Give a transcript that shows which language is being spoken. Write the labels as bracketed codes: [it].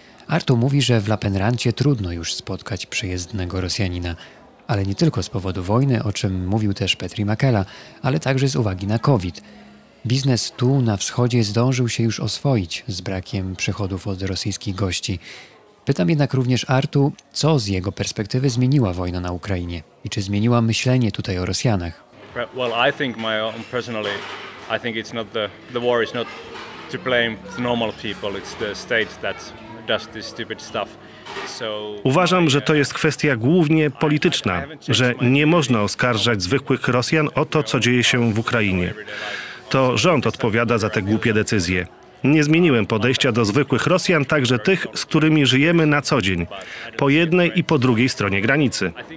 [pl] Artu mówi, że w Lappeenrantie trudno już spotkać przyjezdnego Rosjanina, ale nie tylko z powodu wojny, o czym mówił też Petri Makela, ale także z uwagi na COVID. Biznes tu na wschodzie zdążył się już oswoić z brakiem przychodów od rosyjskich gości. Pytam jednak również Artu, co z jego perspektywy zmieniła wojna na Ukrainie i czy zmieniła myślenie tutaj o Rosjanach. [en] Well, I think my own personally, I think it's not the war is not to blame the normal people, it's the state that does this stupid stuff. [pl] Uważam, że to jest kwestia głównie polityczna, że nie można oskarżać zwykłych Rosjan o to, co dzieje się w Ukrainie. To rząd odpowiada za te głupie decyzje. Nie zmieniłem podejścia do zwykłych Rosjan, także tych, z którymi żyjemy na co dzień, po jednej i po drugiej stronie granicy.